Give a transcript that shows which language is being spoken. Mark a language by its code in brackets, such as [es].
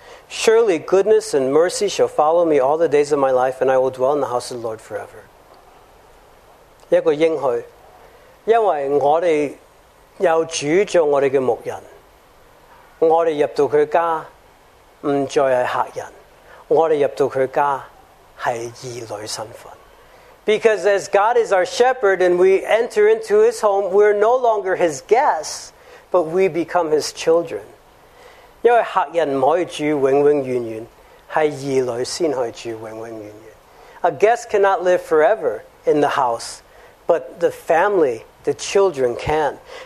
[en] Surely goodness and mercy shall follow me all the days of my life, and I will dwell in the house of the Lord forever. [zh] 一个应许。因为我们有主做我们的牧人，我们入到他家，不再是客人，我们入到他家是儿女身份。Because [en] as God is our shepherd and we enter into his home, we're no longer his guests, but we become his children. [zh] 因为客人不可以住永永远远，是儿女先可以住永永远远. [en] A guest cannot live forever in the house, but the family, the children can.